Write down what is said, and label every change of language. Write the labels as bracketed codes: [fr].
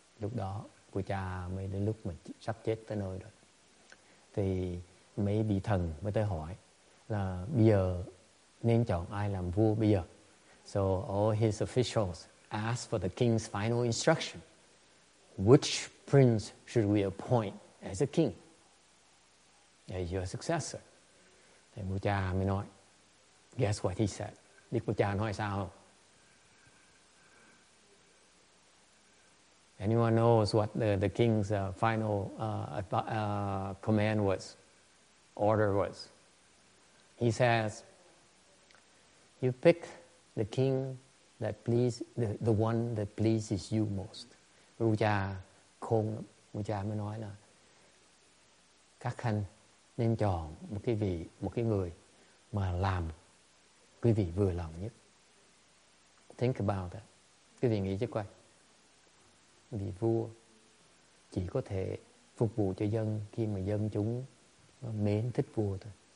[vi] Lúc đó, của cha mới đến lúc mình sắp chết tới nơi rồi. Thì mấy vị thần mới tới hỏi là bây giờ nên chọn ai làm vua bây giờ. [en] So all his officials asked for the king's final instruction. Which prince should we appoint as a king? As your successor. [vi] Thì vua cha mới nói, [en] guess what he said? [vi] Biết vua cha nói sao không? [en] Anyone knows what the king's final command was, order was? He says, you pick the king that please, the one that pleases you most. [vi] Vua cha khôn, vua cha mới nói là các khanh nên chọn một cái người mà làm quý vị vừa lòng nhất. [en] Think about that. [vi] Quý vị nghĩ chứ quay. Vị vua chỉ có thể phục vụ cho dân khi mà dân chúng mến thích vua thôi.